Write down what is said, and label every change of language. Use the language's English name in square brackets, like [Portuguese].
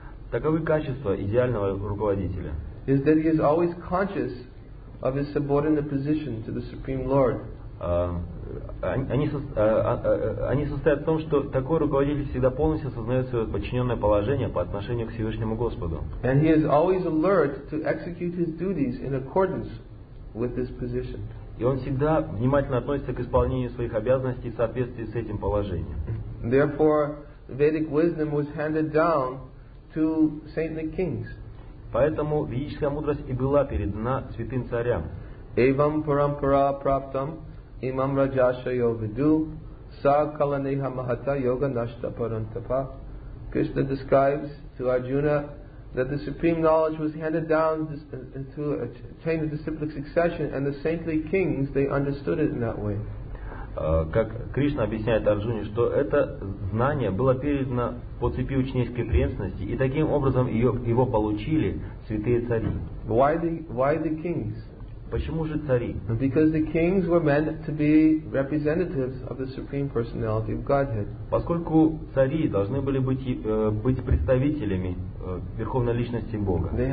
[Russian] Таковы качества идеального руководителя. [English] Is that he is always conscious of his subordinate position to the Supreme Lord. [Russian] Они состоят в том, что такой руководитель всегда полностью осознает свое подчиненное положение по отношению к Всевышнему Господу. [English] And he is always alert to execute his duties in accordance with this position. [Russian] И он всегда внимательно относится к исполнению своих обязанностей в соответствии с этим положением. [English] Therefore, Vedic wisdom was handed down to saintly kings. [Russian] Поэтому ведическая мудрость и была передана святым царям. [Sanskrit] Evam parampara praptam imam rajasya yovidu sa kalaneha mahata yoga nashta parantapa. [English] Krishna describes to Arjuna that the supreme knowledge was handed down into a chain of disciplic succession, and the saintly kings, they understood it in that way. [Russian] Как Кришна объясняет Арджуне, что это знание было передано по цепи ученической преемственности, и таким образом его получили святые цари. [English] Why the kings? [Russian] Почему же цари? [English] Because the kings were meant to be representatives of the supreme personality of Godhead. [Russian] Поскольку цари должны были быть представителями верховной личности Бога.